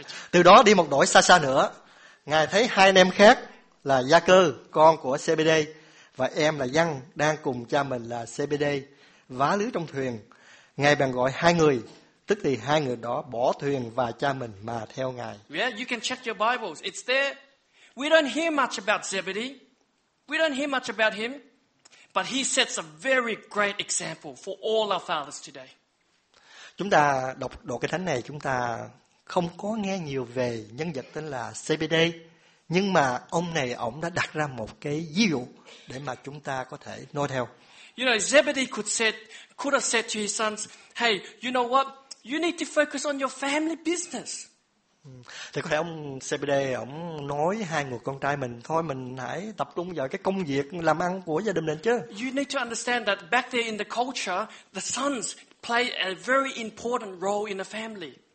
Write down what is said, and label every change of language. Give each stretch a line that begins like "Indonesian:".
Vietnamese: Từ đó đi một đổi xa xa nữa, Ngài thấy hai anh em khác là Gia Cơ, con của Zebedee, và em là Giăng, đang cùng cha mình là Zebedee, vá lưới trong thuyền. Ngài bèn gọi hai người, tức thì hai người đó bỏ thuyền và cha mình mà theo Ngài.
English: Yeah, you can check your Bibles. It's there. We don't hear much about Zebedee. We don't hear much about him. But he sets a very great example for all our fathers today.
Vietnamese: Chúng ta đọc đoạn kinh thánh này, chúng ta không có nghe nhiều về nhân vật tên là Zebedee. Nhưng mà ông này, ông đã đặt ra một cái ví dụ để mà chúng ta có thể noi theo.
English: You know, Zebedee could have said to his sons, hey, you know what? You need to focus on your family business.
Vietnamese: Thì có thể ông Zebedee ông nói hai người con trai mình, thôi mình hãy tập trung vào cái công việc làm ăn của gia đình mình chứ.
English: You need to understand that back there in the culture, the sons play a very important role in the family.